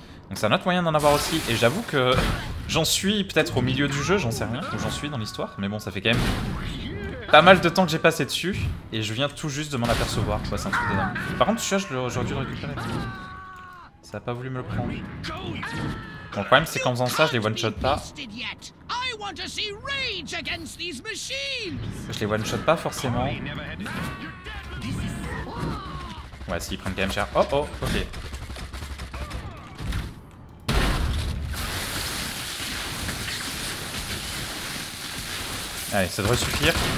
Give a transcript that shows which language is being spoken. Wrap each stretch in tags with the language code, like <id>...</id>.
<fr>Donc c'est un autre moyen d'en avoir aussi. Et j'avoue que j'en suis peut-être au milieu du jeu, j'en sais rien, où j'en suis dans l'histoire. Mais bon, ça fait quand même pas mal de temps que j'ai passé dessus. Et je viens tout juste de m'en apercevoir. Quoi, c'est un truc dingue. Par contre, tu vois, j'aurais dû le récupérer. Ça a pas voulu me le prendre. Bon, le problème, c'est qu'en faisant ça, je les one-shot pas.</fr> <en>want to see rage against these machines.</en> <fr>Je les one-shot pas forcément. Ouais, s'ils prennent quand même cher. Oh oh, ok. Allez, ça devrait suffire.</fr>